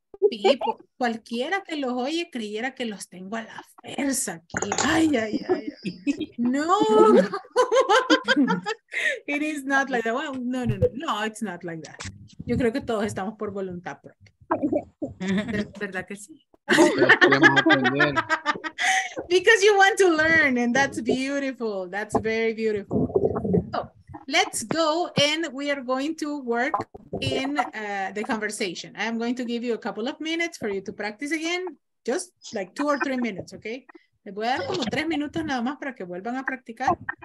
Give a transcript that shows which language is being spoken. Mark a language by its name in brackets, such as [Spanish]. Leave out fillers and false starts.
[Spanish] Pipo, cualquiera que los oye creyera que los tengo a la fuerza aquí. No. [English] It is not like that. Well, no, it's not like that. [Spanish] Yo creo que todos estamos por voluntad propia. ¿Verdad que sí? [English] Because you want to learn, and that's beautiful. That's very beautiful. So, let's go, and we are going to work in the conversation. I'm going to give you a couple of minutes for you to practice again, just like 2 or 3 minutes, okay? [Spanish] Les voy a dar como 3 minutos nada más para que vuelvan a practicar.